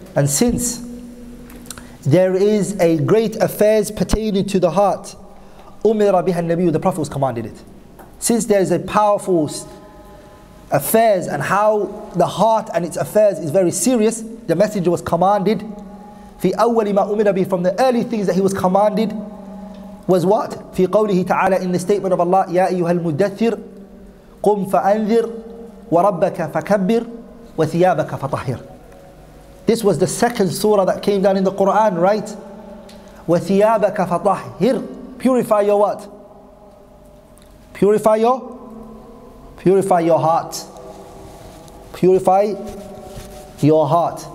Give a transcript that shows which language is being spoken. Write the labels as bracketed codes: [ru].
[en] And since there is a great affairs pertaining to the heart, [ar] أُمِرَ بِهَا النَّبِيُّ, [en] the Prophet was commanded it. Since there is a powerful affairs and how the heart and its affairs is very serious, the messenger was commanded. [ar] في أول ما أمر به, [en] from the early things that he was commanded was what? [ar] في قوله تعالى, [en] in the statement of Allah, [ar] يا أيها المدثر قم فأنذر وربك فكبر وثيابك فطهر. [en] This was the second surah that came down in the Quran, right? [ar] وثيابك فطهر. [en] Purify your what? Purify your heart. Purify your heart.